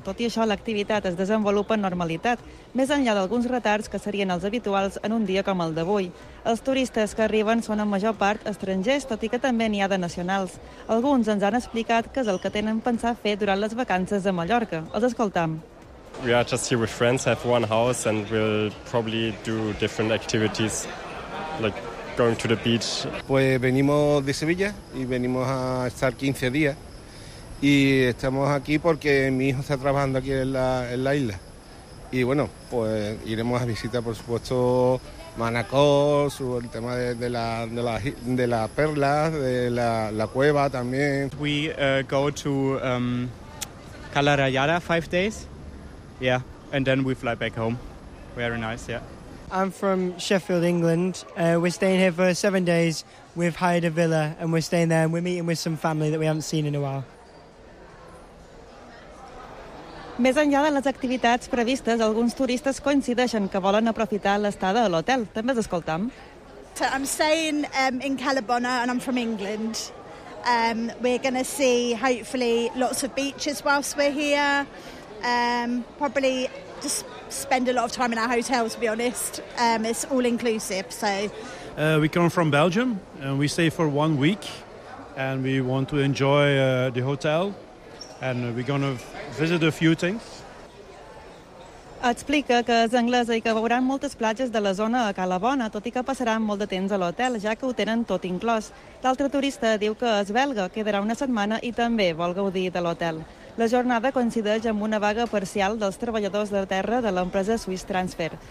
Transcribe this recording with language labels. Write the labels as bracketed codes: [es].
[ca] Tot i això, l'activitat es desenvolupa en normalitat, més enllà d'alguns retards que serien els habituals en un dia com el d'avui. Els turistes que arriben són en major part estrangers, tot i que també n'hi ha de nacionals. Alguns ens han explicat que és el que tenen pensat fer durant les vacances a Mallorca. Els escoltam. [en] We are just here with friends, have one house and we'll probably do different activities, like going to the beach. [es] Pues venimos de Sevilla y venimos a estar 15 días y estamos aquí porque mi hijo está trabajando aquí en la isla. Y bueno, pues iremos a visitar, por supuesto, Manacor, el tema de la perla, de la cueva también. [en] We go to Cala Rayada 5 days. Yeah, and then we fly back home. Very nice, yeah. I'm from Sheffield, England. We're staying here for 7 days. We've hired a villa and we're staying there and we're meeting with some family that we haven't seen in a while. [ca] Més enllà de les activitats previstes, alguns turistes coincideixen que volen aprofitar l'estada a l'hotel. També escoltam. [en] So I'm staying in Calabona and I'm from England. We're going to see, hopefully, lots of beaches whilst we're here. Probably just spend a lot of time in our hotel, to be honest. It's all inclusive, so We come from Belgium and we stay for 1 week and we want to enjoy the hotel and we're going to visit a few things. [ca] Explica que és anglesa i que veuran moltes platges de la zona a Calabona, tot i que passaran molt de temps a l'hotel, ja que ho tenen tot inclòs. L'altre turista diu que és belga, quedarà una setmana i també vol gaudir de l'hotel. La jornada coincideix amb una vaga parcial dels treballadors de terra de l'empresa Swiss Transfer.